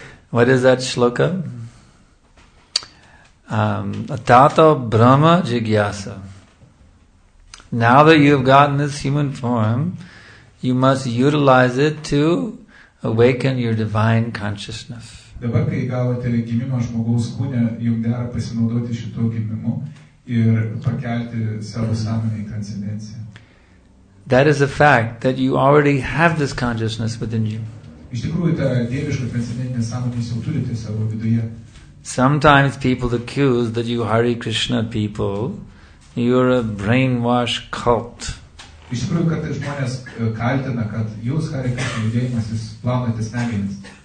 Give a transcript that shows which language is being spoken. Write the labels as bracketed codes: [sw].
[en] What is that shloka? [sa] Atato Brahma Jigyasa. [en] Now that you have gotten this human form, you must utilize it to awaken your divine consciousness. [lt] Dabar, kai gavote gimimą žmogaus kūne, jums dera pasinaudoti šito gimimu ir pakelti savo sąmonę į transcendenciją. [en] That is a fact that you already have this consciousness within you. [lt] Iš tikrųjų, ta dieviška transcendentinė sąmonė jau turite savo viduje. [en] Sometimes people accuse that you Hare Krishna people, you are a brainwashed cult. [lt] Iš tikrųjų, kad žmonės kaltina, kad jūs Hare Krishna judėjimas, jūs plaunate smegenis.